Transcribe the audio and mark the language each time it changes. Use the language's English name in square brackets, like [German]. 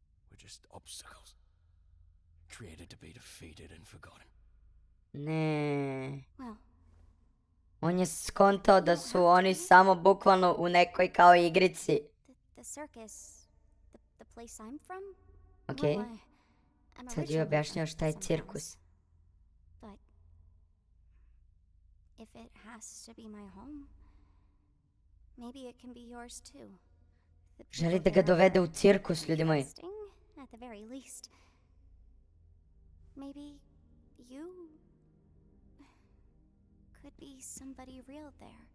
[English] We're just obstacles. Created to be defeated and forgotten. [Serbian] Ne. [English] Well. [Serbian] On je skontao da su oni samo bukvalno u nekoj kao igrici. [English] The circus, the place I'm from? Okay. [Serbian] Sad je objašnjao šta je cirkus. [English] But if it has to be my home, maybe it can be yours too. [Serbian] Želi da ga dovede u cirkus, ljudi moji. [English] At the very least. Maybe you could be somebody real there.